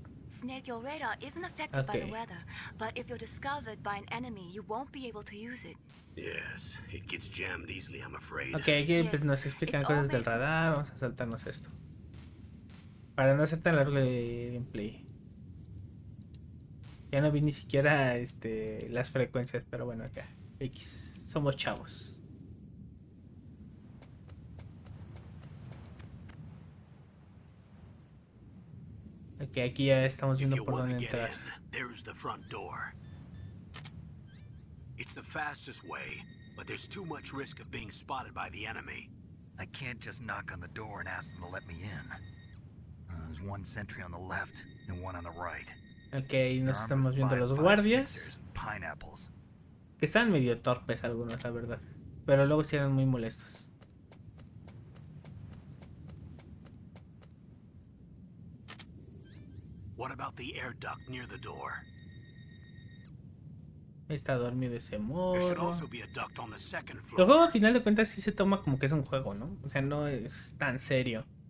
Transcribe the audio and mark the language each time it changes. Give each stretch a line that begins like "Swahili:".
English: Snake, your radar isn't affected by the weather, but if you're discovered by an enemy, you won't be able to use it. Yes, it gets jammed easily, I'm afraid.
Spanish: Okay, aquí pues nos explican cosas del radar. Vamos a saltarnos esto para no hacer tan largo el gameplay. Ya no vi ni siquiera las frecuencias, pero bueno, acá X, somos chavos. Okay, aquí ya estamos viendo por dónde entrar.
English: In, there's the front door. It's the fastest way, but there's too much risk of being spotted by the enemy. I can't just knock on the door and ask them to let me in. There's one sentry on the left and one on the right.
Spanish: Okay, nos estamos viendo los guardias. Que están medio torpes algunos, la verdad. Pero luego sí eran muy molestos.
English: What about the air duct near the door?
Spanish: Está dormido ese morro. El juego, al final de cuentas, sí se toma como que es un juego, ¿no? O sea, no es tan serio.